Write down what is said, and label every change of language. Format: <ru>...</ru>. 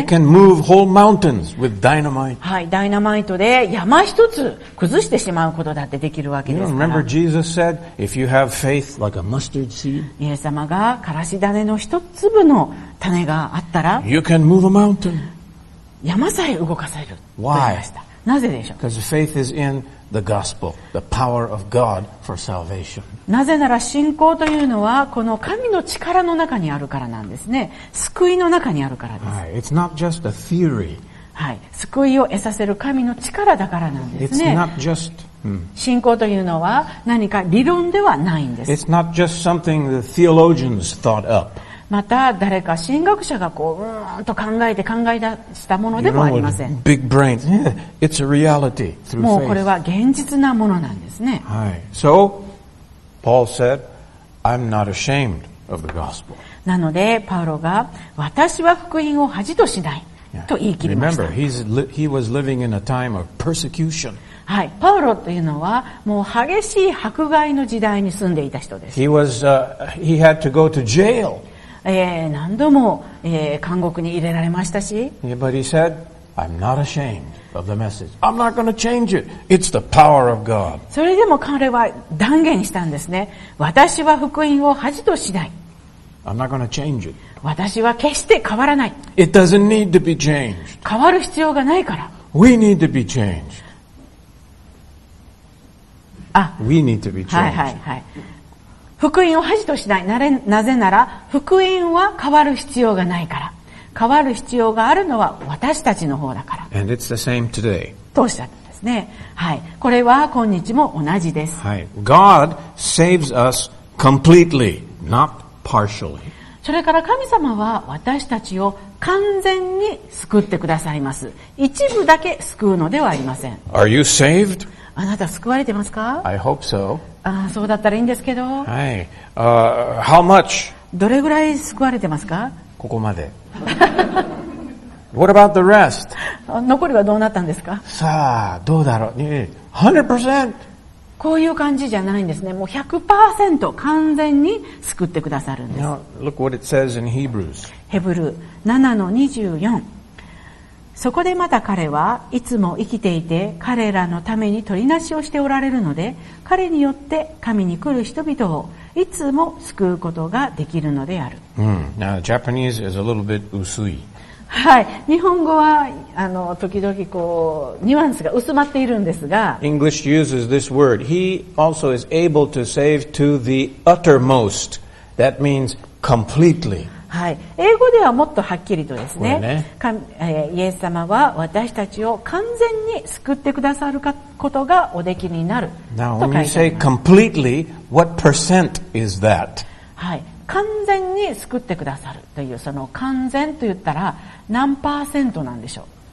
<en>They can move whole mountains with dynamite.</en> <ja>はい、ダイナマイトで山一つ崩してしまうことだってできるわけですから。</ja> <en>You remember Jesus said, if you have faith like a mustard seed.</en> <ja>イエス様がからし種の一粒の種があったら、</ja> <en>you can move a mountain.</en> <ja>山さえ動かせると言いました。</ja> <en>Why?</en> <ja>なぜでしょう。</ja> <en>Because faith is in the gospel, the power of God for salvation.</en> <ja>なぜなら信仰というのはこの神の力の中にあるからなんですね。救いの中にあるからです。</ja> <en>Right. It's not just a theory.</en> <ja>はい、救いを得させる神の力だからなんですね。</ja> <en>It's not just,</en> <ja>信仰というのは何か理論ではないんです。</ja> <en>It's not just something the theologians thought up.</en> <ja>また誰か神学者がこう、と考えて考え出したものでもありません。</ja> <en>Big brains. Yeah, it's a reality through</en> <ja>faith. もうこれは現実なものなんですね。はい。</ja> <en>So, Paul said, I'm not ashamed of the gospel.</en> <ja>なので、パウロが、私は福音を恥としないと言い切りました。</ja> <en>Remember, he was living in a time of persecution.</en> <ja>はい、パウロというのはもう激しい迫害の時代に住んでいた人です。</ja> <en>he had to go to jail.</en> <ja>何度も、監獄に入れられましたし、</ja> <en>but he said, I'm not ashamed. Of the message. I'm not going to change it. It's the power of God.</en> <ja>それでも彼は断言したんですね。私は福音を恥としない。</ja> <en>I'm not going to change it.</en> <ja>私は決して変わらない。</ja> <en>It doesn't need to be changed.</en> <ja>変わる必要がないから。</ja> <en>We need to be changed. We need to be changed.</en> <ja>はいはいはい。福音を恥としない。なぜなら、福音は変わる必要がないから。変わる必要があるのは私たちの方だから。</ja> <en>And it's the same today.</en> <ja>とおっしゃったんですね。はい。これは今日も同じです。はい。</ja> <en>God saves us completely, not partially.</en> <ja>それから神様は私たちを完全に救ってくださいます。一部だけ救うのではありません。</ja> <en>Are you saved?</en> <ja>あなた救われてますか?</ja> <en>I hope so.</en> <ja>ああ、そうだったらいいんですけど。</ja> <en>はい。How much?</en> <ja>どれぐらい救われてますか?</ja> <en>ここまで。 What about the rest?</en> <ja>残りはどうなったんですか? さあ、どうだろう。 100%! こういう感じじゃないんですね。もう 100% 完全に救ってくださるんです。 Now, look what it says in Hebrews. ヘブル 7-24。そこでまた彼はいつも生きていて彼らのために取りなしをしておられるので、彼によって神に来る人々をいつも救うことができるのである。</ja> <en>Now, Japanese is a little bit 薄い。</en> <ja>はい、日本語は時々こうニュアンスが薄まっているんですが、</ja> <en>English uses this word. He also is able to save to the uttermost. That means completely.</en> <ja>はい、英語ではもっとはっきりとですね、イエス様は私たちを完全に救ってくださることがおできになると書いてあります。</ja> <en>Now, when you say completely, what percent is that?</en> <ja>はい、完全に救ってくださるというその完全と言ったら何パーセントなんでしょう。</ja>